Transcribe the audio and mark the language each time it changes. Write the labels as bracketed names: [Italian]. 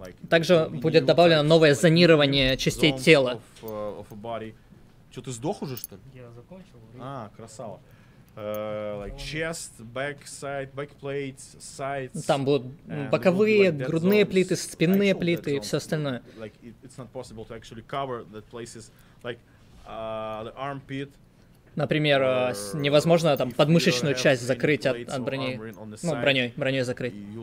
[Russian] Также будет добавлено новое зонирование частей тела. Че, ты сдох уже, что ли? Я закончил. А, красава. [English] Chest, backside, backplate, sides. [Russian] Там будут боковые, грудные плиты, спинные плиты и все остальное. [English] It's not possible to actually cover the places like the armpit. [Russian] Например, невозможно там подмышечную часть закрыть от брони, ну, броней закрыть.